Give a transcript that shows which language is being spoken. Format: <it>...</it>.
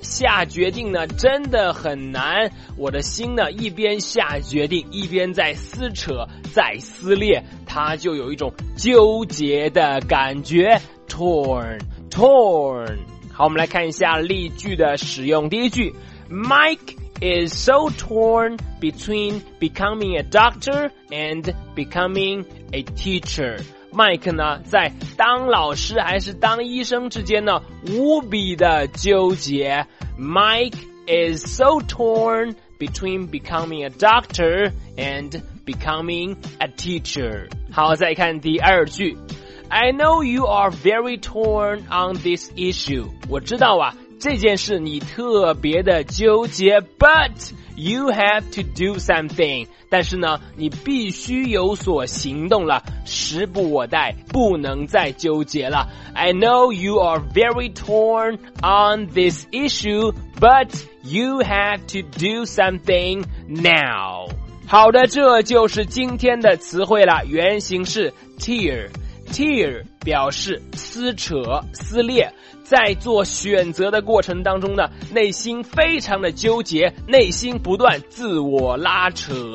<zh>下决定呢真的很难，我的心呢一边下决定一边在撕扯在撕裂，它就有一种纠结的感觉。</zh> <en>torn。</en> <zh>好，我们来看一下例句的使用。第一句，</zh> <en>Mike is so torn between becoming a doctor and becoming a teacher。</en> <zh>麦克呢在当老师还是当医生之间呢无比的纠结。</zh> <en>Mike is so torn between becoming a doctor and becoming a teacher。</en> <zh>好，再看第二句，</zh> <en>I know you are very torn on this issue。</en> <zh>我知道啊这件事你特别的纠结，</zh> <en>but you have to do something。</en> <zh>但是呢你必须有所行动了，时不我待，不能再纠结了。</zh> <en>I know you are very torn on this issue, but you have to do something now。</en> <zh>好的，这就是今天的词汇了，原型是 tear 表示撕扯、撕裂，在做选择的过程当中呢，内心非常的纠结，内心不断自我拉扯。</zh>